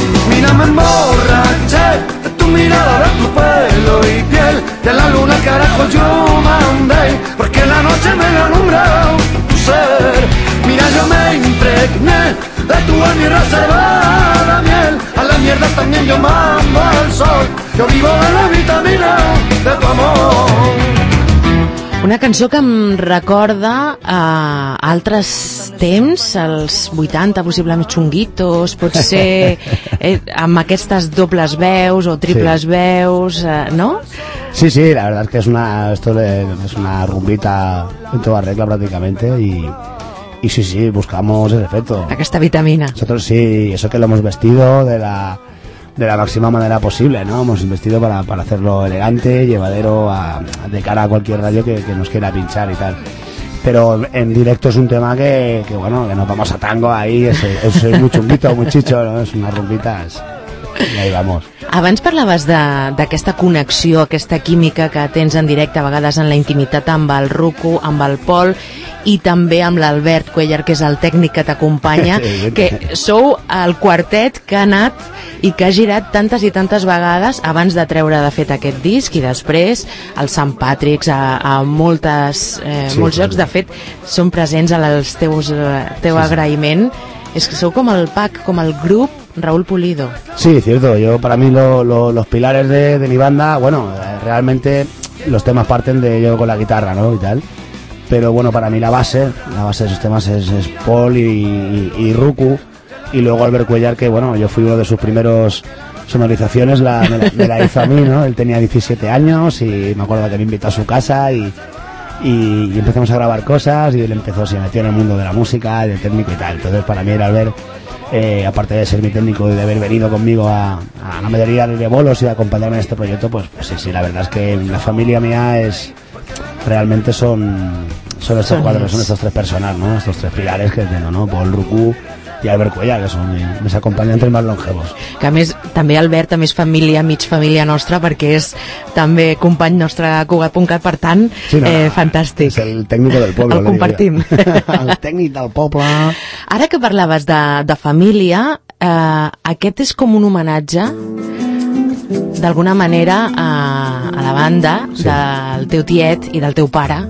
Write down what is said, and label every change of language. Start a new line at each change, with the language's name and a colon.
Spanish: Mírame en borrache, mirada de tu pelo y piel, de la luna al carajo yo mandé, porque la noche me la alumbra tu ser. Mira, yo me impregné de tu alma reservada miel, a la mierda también yo mando al sol, yo vivo de la vitamina de tu amor.
Catalan: Una cançó que em recorda a altres temps, als 80, possiblement Chunguitos, potser amb aquestes dobles veus o triples veus, no?
Spanish: Sí, la verdad es que es una rumbita en toda regla prácticamente y sí, buscamos ese efecto.
Catalan: Aquesta vitamina.
Spanish: Nosotros sí, eso que lo hemos vestido de la máxima manera posible, ¿no? Hemos investido para hacerlo elegante, llevadero de cara a cualquier radio que nos quiera pinchar y tal. Pero en directo es un tema que bueno, que nos vamos a tango ahí, es muy chunguito, muy chicho, ¿no? Es unas rumbitas y ahí vamos.
Catalan: Abans parlaves d'aquesta connexió, aquesta química que tens en directe, a vegades en la intimitat amb el Ruku, amb el Pol i també amb l'Albert Cuellar, que és el tècnic que t'acompanya, que sou el quartet que ha anat i que ha girat tantes i tantes vegades abans de treure de fet aquest disc i després al Sant Patrick's, a moltes, sí, molts llocs, sí. De fet, són presents en els teu sí, agraïment. Sí. És que sou com el pack, com el grup Raúl Pulido.
Spanish: Sí, cierto. Yo, para mí, los pilares de mi banda, bueno, realmente los temas parten de yo con la guitarra, ¿no? Y tal. Pero bueno, para mí la base de esos temas es Paul y Ruku. Y luego Albert Cuellar, que bueno, yo fui uno de sus primeros sonorizaciones, me la hizo a mí, ¿no? Él tenía 17 años y me acuerdo que me invitó a su casa y empezamos a grabar cosas y él empezó, se metió en el mundo de la música, del técnico y tal. Entonces, para mí era Albert. Aparte de ser mi técnico y de haber venido conmigo a la mayoría de bolos y de acompañarme en este proyecto, pues sí, la verdad es que la familia mía es realmente son estos tres personas, ¿no? Estos tres pilares que tengo, ¿no? Paul, Ruku y Albert Cuellar, que son mis acompañantes más longevos.
Catalan: Que a més, també Albert també és família, mig família nostra, perquè és també company nostre a Cugat.cat, per tant, fantàstic. És el tècnic del poble. El compartim. El tècnic del poble. Ara que parlaves de família, aquest és com un homenatge, d'alguna manera, a la banda, sí, del teu tiet i del teu pare.